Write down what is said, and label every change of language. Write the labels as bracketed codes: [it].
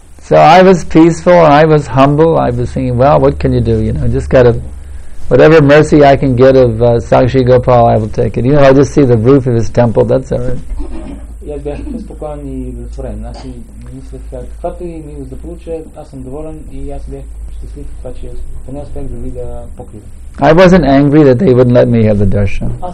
[en] So I was peaceful and I was humble. I was thinking, well, what can you do? You know, just got to, whatever mercy I can get of Sakshi Gopal, I will take it. You know, I just see the roof of his temple, that's all right. [bg] Я бях спокоен и удовлетворен. Аз си мислех, каквато и милост да получа, аз съм доволен и аз бях щастлив, това, че поне успях да видя покрива. [en] I wasn't angry that they wouldn't let me have the darshan.